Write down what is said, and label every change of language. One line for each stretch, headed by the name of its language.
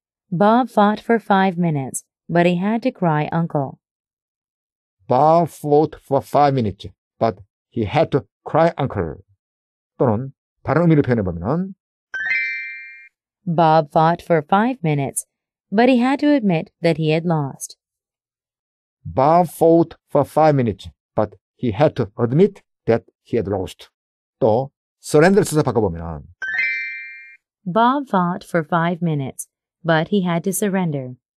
English: Bob fought for 5 minutes, but he had to cry uncle. Bob fought for 5 minutes, but he had to cry uncle.
Korean: 또는 다른 의미로 표현해보면
English: Bob fought for 5 minutes, but he had to admit that he had lost. Bob fought for 5 minutes, but He had to admit that he had lost.
Korean: 또, surrender 써서 바꿔보면
English: Bob fought for 5 minutes, but he had to surrender.